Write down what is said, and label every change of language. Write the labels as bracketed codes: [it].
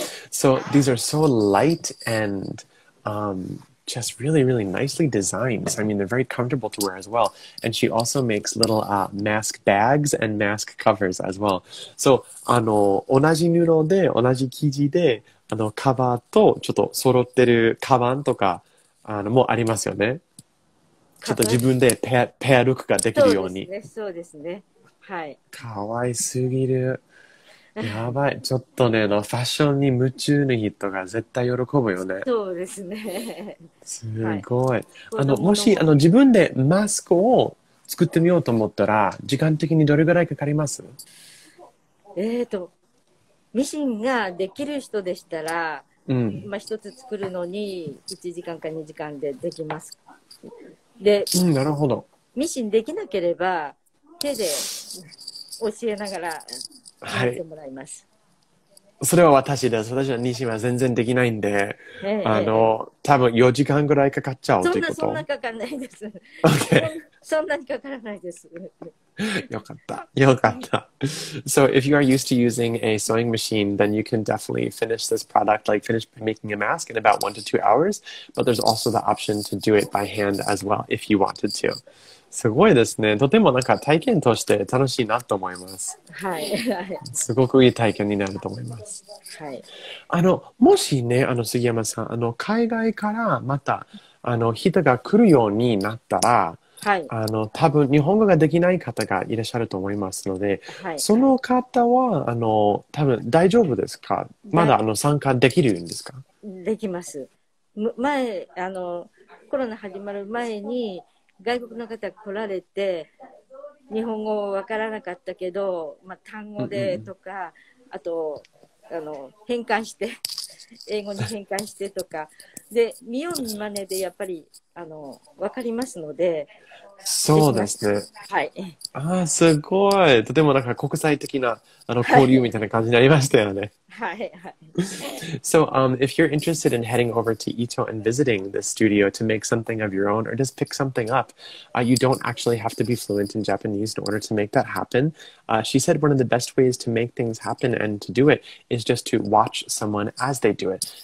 [en] So these are so light and just really really nicely designed. So, I mean they're very comfortable to wear as well. And she also makes little mask bags and mask covers as well. [ja] So あの同じ布で同じ生地で。あのカバーとちょっと揃ってるカバンとかあのもありますよね。ちょっと自分でペアルックができるように。そうですね、そうですね、はい。かわいすぎる。やばい、ちょっとねのファッションに夢中の人が絶対喜ぶよね。そうですね。すごい。はい、あのもしあの自分でマスクを作ってみようと思ったら時間的にどれぐらいかかります？ミシンができる人でしたら、うん、まあ、一つ作るのに1時間か2時間でできます。で、うん、なるほど。ミシンできなければ手で教えながらやってもらいます、はい。それは私です。私はミシンは全然できないんで、ええ、あの多分4時間ぐらいかかっちゃうってこと。そんなかかんないです。 [en] Okay. [ja] そんなにかからないです。よかった。よかった。 [en] So if you are used to using a sewing machine, then you can definitely finish this product, like finish making a mask in about 1 to 2 hours. But there's also the option to do it by hand as well if you wanted to. [ja] すごいですね。とてもなんか体験として楽しいなと思います。はい。すごくいい体験になると思います。はい。あの、もしね、あの杉山さん、あの海外からまたあの人が来るようになったら、はい、あの多分日本語ができない方がいらっしゃると思いますので、はい、その方はあの多分大丈夫ですか、まだあの参加できるんですか。できます。前あのコロナ始まる前に外国の方が来られて日本語わからなかったけど、まあ、単語でとか、うんうん、あとあの変換して英語に変換してとかで見よう見まねでやっぱりあの分かりますので。そうですね、はい、あ、すごい、とてもなんか国際的なあの交流みたいな感じになりましたよね。はい、はい、はい。 [en] So if you're interested in heading over to Ito and visiting the studio to make something of your own or just pick something up, you don't actually have to be fluent in Japanese in order to make that happen. She said one of the best ways to make things happen and to do it is just to watch someone as they do it.